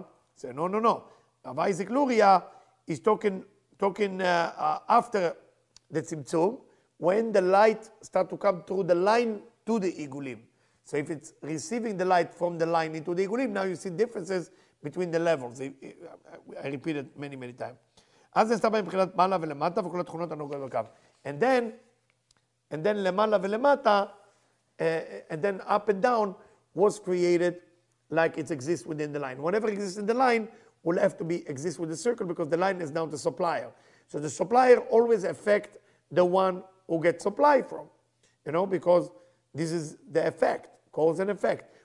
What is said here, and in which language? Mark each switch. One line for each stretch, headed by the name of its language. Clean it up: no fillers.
English: I say, no. Rav Isaac Luria is talking after the tzimtzum, when the light starts to come through the line to the igulim. So if it's receiving the light from the line into the igulim, now you see differences between the levels. I repeat it many, many times.
Hebrew: אז נסתה בהם מבחינת מעלה ולמטה וכל התכונות הנוגעות בקו.
English: And then
Hebrew: למעלה ולמטה,
English: and then up and down was created like it exists within the line. Whatever exists in the line will have to be exist with the circle because the line is down to supplier. So the supplier always affect the one who gets supply from, you know, because this is the effect, cause and effect.